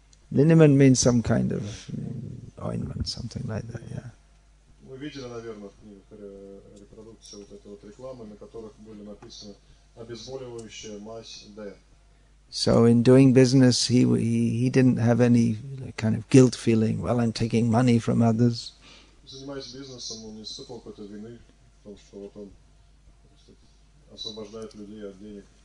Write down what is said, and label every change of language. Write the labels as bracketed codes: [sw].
[en] Liniment means some kind of ointment, something like that, yeah. [ru] Мы видели, наверное, в книгах репродукции вот этой вот рекламы, на которых были написаны обезболивающая мазь Д. [en] So in doing business, he didn't have any kind of guilt feeling, well, I'm taking money from others. [ru] Занимаясь бизнесом, он не испытывал какой-то вины в том, что вот он освобождает людей от денег.